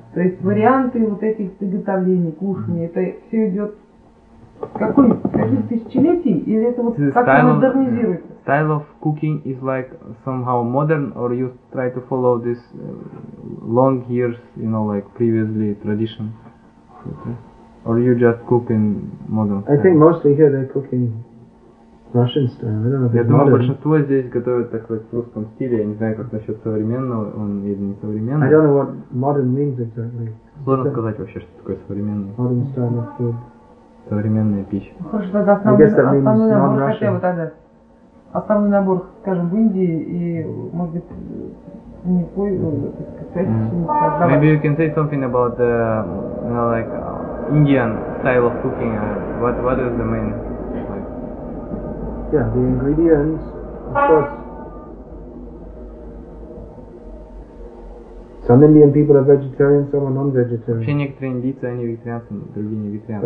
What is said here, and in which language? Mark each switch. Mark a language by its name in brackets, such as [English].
[Russian] То есть варианты вот этих приготовлений, кушаний, это все идет. Какой тысячелетий или это вот как-то модернизируется? [English] Style of cooking is like somehow modern, or you try to follow this long years, you know, like previously tradition. Or you just cook in modern style? I think mostly here they're cooking Russian style. I don't know. [Russian] Я думаю, большинство здесь готовят так вот в русском стиле. Я не знаю, как насчет современного, он или не современный. [English] I don't know what modern means exactly. [Russian] Сложно сказать вообще, что такое современный. [English] Modern style of food. [Russian] Современная пища. Слушай, тогда основной набор, хотя бы тогда. Основной набор, скажем, в Индии и, может быть, не пользуются. Mm. [English] Maybe you can say something about the, you know, like, Indian style of cooking. What is the main, like? Yeah, the ingredients, of course. Some Indian people are vegetarian, some are non-vegetarian. [Russian] Вообще некоторые индийцы, они вегетарианцы, другие не вегетарианцы.